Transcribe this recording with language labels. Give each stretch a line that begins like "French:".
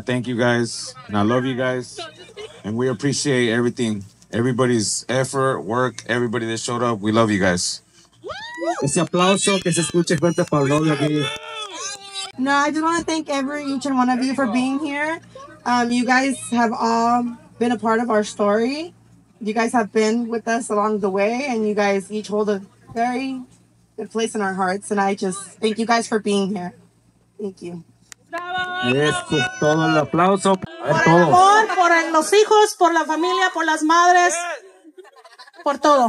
English: Thank you guys, and I love you guys, and we appreciate everything, everybody's effort, work, everybody that showed up. We love you guys.
Spanish: Ese aplauso que se escuche fuerte para Love aquí.
English: No, I just want to thank each and one of you for being here. You guys have all been a part of our story. You guys have been with us along the way, and you guys each hold a very good place in our hearts. And I just thank you guys for being here. Thank you.
Spanish: Esto es todo, el aplauso por todo. Por los hijos, por la familia, por las madres, por todo.